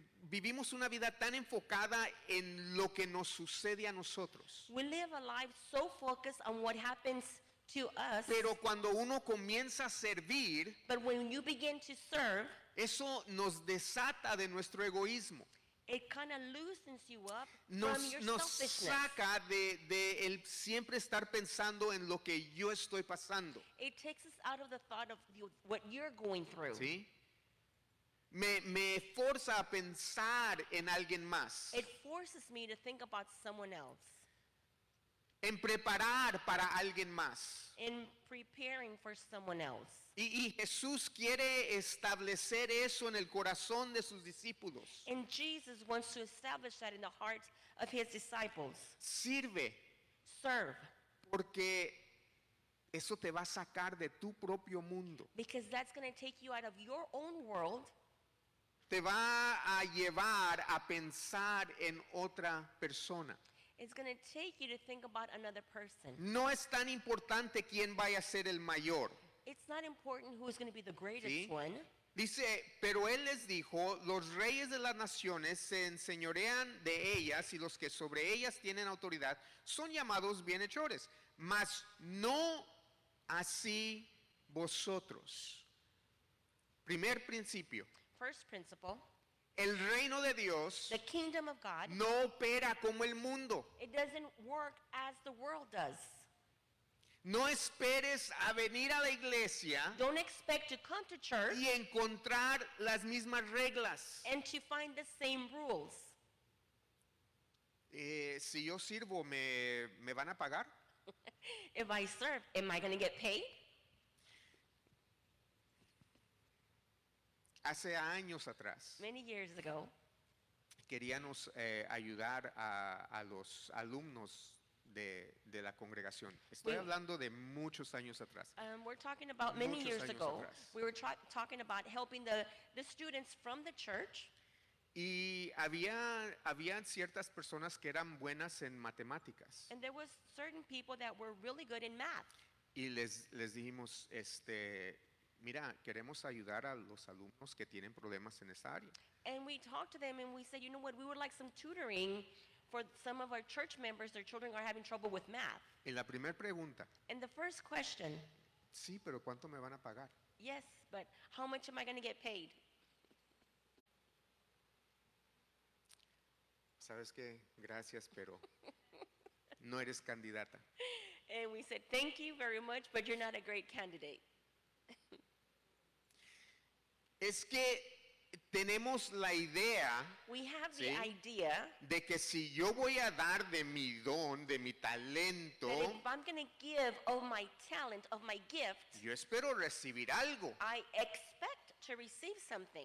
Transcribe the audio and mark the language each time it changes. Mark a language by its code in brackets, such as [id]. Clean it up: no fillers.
[es] Vivimos una vida tan enfocada en lo que nos sucede a nosotros. [en] We live a life so focused on what happens to us. [es] Pero cuando uno comienza a servir, [en] but when you begin to serve, [es] eso nos desata de nuestro egoísmo. [en] It kind of loosens you up [es] nos, [en] from your selfishness. [es] Nos saca de el siempre estar pensando en lo que yo estoy pasando. [en] It takes us out of the thought of what you're going through. [es] ¿Sí? Me forza a pensar en alguien más. [en] It forces me to think about someone else. [es] en preparar para alguien más. [en] In preparing for someone else. [es] Y Jesús quiere establecer eso en el corazón de sus discípulos. [en] And Jesus wants to establish that in the hearts of his disciples. [es] Sirve. [en] Serve. [es] Porque eso te va a sacar de tu propio mundo. [en] Because that's going to take you out of your own world. [es] Te va a llevar a pensar en otra persona. [en] It's going to take you to think about another person. [es] No es tan importante quién vaya a ser el mayor. [en] It's not important who is going to be the greatest. [es] ¿Sí? [en] One. [es] Dice, pero él les dijo, los reyes de las naciones se enseñorean de ellas y los que sobre ellas tienen autoridad son llamados bienhechores. Mas no así vosotros. Primer principio. [en] First principle. [es] El reino de Dios, [en] the kingdom of God, [es] no opera como el mundo. [en] It doesn't work as the world does. [es] No esperes a venir a la iglesia, [en] don't expect to come to church, [es] y encontrar las mismas reglas. [en] And to find the same rules. [es] Si yo sirvo, ¿me van a pagar? [en] If I serve, am I going to get paid? [es] Hace años atrás, [en] many years ago, [es] queríamos ayudar a los alumnos de la congregación. Estoy hablando de muchos años atrás. [en] We're talking about many [es] muchos [en] years ago. [es] Atrás. [en] We were talking about helping the students from the church. [es] Y había ciertas personas que eran buenas en matemáticas. [en] And there was certain people that were really good in math. [es] Y les dijimos, mira, queremos ayudar a los alumnos que tienen problemas en esa área. [en] And we talked to them and we said, you know what, we would like some tutoring for some of our church members, their children are having trouble with math. [es] En la primera pregunta. [en] And the first question. [es] Sí, pero ¿cuánto me van a pagar? [en] Yes, but how much am I going to get paid? [es] ¿Sabes qué? Gracias, pero no eres candidata. [en] And we said, thank you very much, but you're not a great candidate. [es] Es que tenemos la idea, [en] we have the idea [es] de que si yo voy a dar de mi don, de mi talento, [en] if I'm going to give of my talent, of my gift, [es] yo espero recibir algo. [en] I expect to receive something.